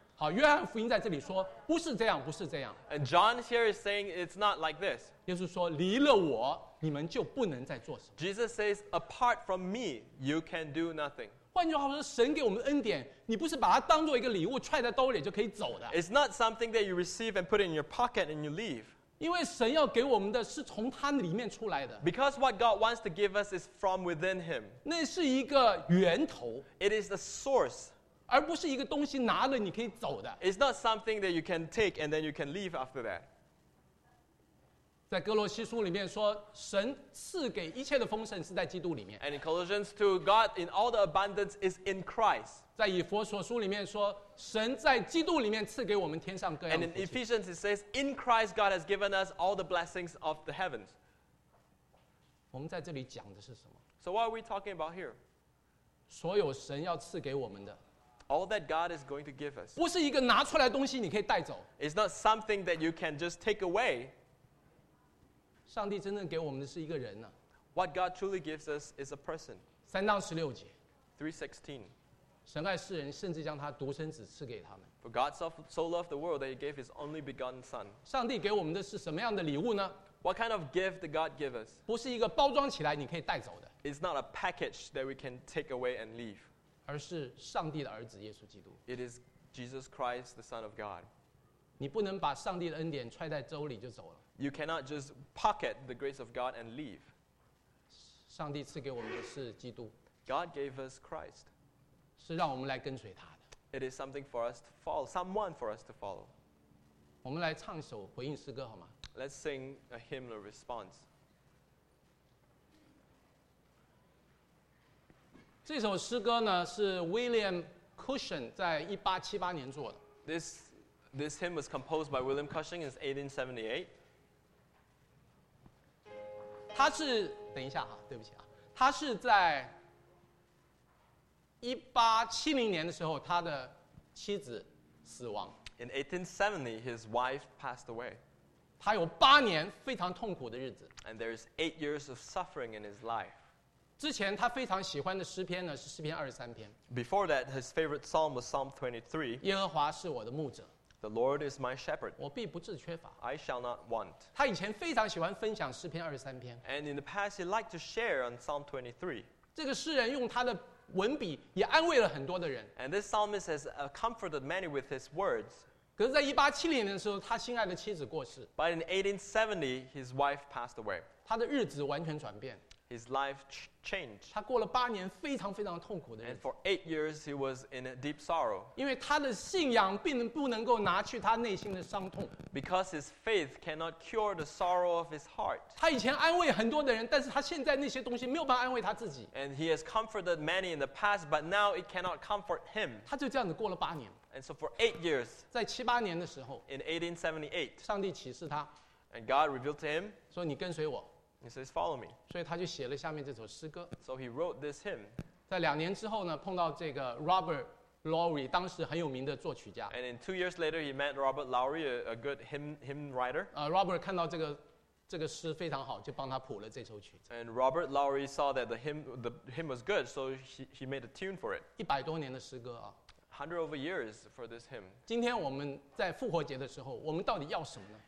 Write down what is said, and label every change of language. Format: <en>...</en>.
<zh>好约翰福音在这里说不是这样不是这样</zh> <en>And John here is saying it's not like this</en> <zh>耶稣说离了我你们就不能再做什么。</zh> <en>Jesus says, apart from me, you can do nothing.</en> <zh>换句话说，神给我们恩典，你不是把它当作一个礼物揣在兜里就可以走的。</zh> <en>It's not something that you receive and put in your pocket and you leave.</en> <zh>因为神要给我们的是从他里面出来的。</zh> <en>Because what God wants to give us is from within him.</en> <zh>那是一个源头。</zh> <en>It is the source.</en> <zh>而不是一个东西拿了你可以走的。</zh> <en>It's not something that you can take and then you can leave after that.</en> <zh>在哥罗西书里面说，神赐给一切的丰盛是在基督里面。</zh> <en>And in Colossians 2, God in all the abundance is in Christ.</en> <zh>在以弗所书里面说，神在基督里面赐给我们天上各样的福气。</zh> <en>And in Ephesians it says, in Christ God has given us all the blessings of the heavens.</en> <zh>我们在这里讲的是什么</zh> <en>？So what are we talking about here?</en> <zh>所有神要赐给我们的。</zh> <en>All that God is going to give us.</en> <zh>不是一个拿出来东西你可以带走。</zh> <en>It's not something that you can just take away.</en> <zh>上帝真正给我们的是一个人呢。</zh> <en>What God truly gives us is a person.</en> <zh>三章十六节。</zh> <en>3:16.</en> <zh>神爱世人，甚至将他独生子赐给他们。</zh> <en>For God so loved the world that he gave his only begotten son.</en> <zh>上帝给我们的是什么样的礼物呢？</zh> <en>What kind of gift did God give us?</en> <zh>不是一个包装起来你可以带走的。</zh> <en>It's not a package that we can take away and leave.</en> <zh>而是上帝的儿子耶稣基督。</zh> <en>It is Jesus Christ, the Son of God.</en> <zh>你不能把上帝的恩典揣在兜里就走了。</zh> <en>You cannot just pocket the grace of God and leave.</en> <zh>上帝赐给我们的是基督。</zh> <en>God gave us Christ.</en> <zh>是让我们来跟随他的。</zh> <en>It is something for us to follow, someone for us to follow.</en> <zh>我们来唱首回应诗歌好吗</zh> <en>？Let's sing a hymn of response.</en> <zh>这首诗歌呢是 William Cushion 在1878年做的。</zh> <en>This hymn was composed by William Cushing in 1878.</en> <zh>他是等一下啊，对不起啊，他是在1870年的时候，他的妻子死亡。</zh> <en>In 1870, his wife passed away.</en> <zh>他有八年非常痛苦的日子。</zh> <en>And there is 8 years of suffering in his life.</en> <zh>之前他非常喜欢的诗篇呢是诗篇23篇。</zh> <en>Before that, his favorite psalm was Psalm 23.</en> <zh>耶和华是我的牧者。</zh> <en>The Lord is my shepherd.</en> <zh>我必不致缺乏。</zh> <en>I shall not want.</en> <zh>他以前非常喜欢分享诗篇23篇。</zh> <en>And in the past, he liked to share on Psalm 23.</en> <zh>这个诗人用他的文笔也安慰了很多的人。</zh> <en>And this psalmist has comforted many with his words.</en> <zh>可是在1870年的时候他心爱的妻子过世。</zh> <en>But in 1870, his wife passed away.</en> <zh>他的日子完全转变。</zh> <en>His life changed.</en> <zh>他过了八年非常非常痛苦的日子。</zh> <en>And for 8 years, he was in a deep sorrow.</en> <zh>因为他的信仰并不能够拿去他内心的伤痛。</zh> <en>Because his faith cannot cure the sorrow of his heart.</en> <zh>他以前安慰很多的人，但是他现在那些东西没有办法安慰他自己。</zh> <en>And he has comforted many in the past, but now it cannot comfort him.</en> <zh>他就这样子过了八年。</zh> <en>And so for 8 years,</en> <zh>在七八年的时候</zh> <en>，in 1878,</en> <zh>上帝启示他</zh> <en>，and God revealed to him,</en> <zh>说你跟随我。</zh> <en>He says, "Follow me."</en> <zh>所以他就写了下面这首诗歌。</zh> <en>So he wrote this hymn.</en> <zh>在两年之后呢，碰到这个 Robert Lowry， 当时很有名的作曲家。</zh> <en>And in 2 years later, he met Robert Lowry, a good hymn writer.</en> <zh>Robert 看到这个诗非常好，就帮他谱了这首曲子。</zh> <en>And Robert Lowry saw that the hymn was good, so he made a tune for it.</en> <zh>100多年的诗歌啊。</zh> <en>hundred over years for this hymn.</en> <zh>今天我们在复活节的时候，我们到底要什么呢？</zh>